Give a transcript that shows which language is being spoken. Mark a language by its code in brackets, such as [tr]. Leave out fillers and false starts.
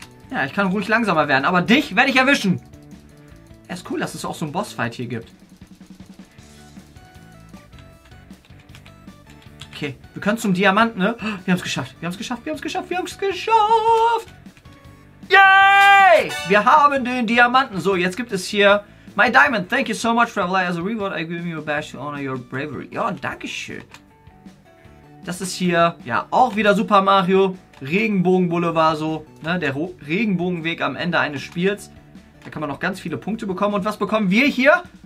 [de] Ja, ich kann ruhig langsamer werden, aber dich werde ich erwischen. Ja, ist cool, dass es auch so einen Bossfight hier gibt. Okay, wir können zum Diamanten, ne? Wir haben es geschafft, wir haben es geschafft, wir haben es geschafft, wir haben es geschafft! Yay! Wir haben den Diamanten. So, jetzt gibt es hier... [en] My Diamond, thank you so much, Traveler. As a reward, I give you a badge to honor your bravery. [de] Ja, danke schön. Das ist hier, ja, auch wieder Super Mario. Regenbogen Boulevard so. Ne? Der Regenbogenweg am Ende eines Spiels. Da kann man noch ganz viele Punkte bekommen. Und was bekommen wir hier?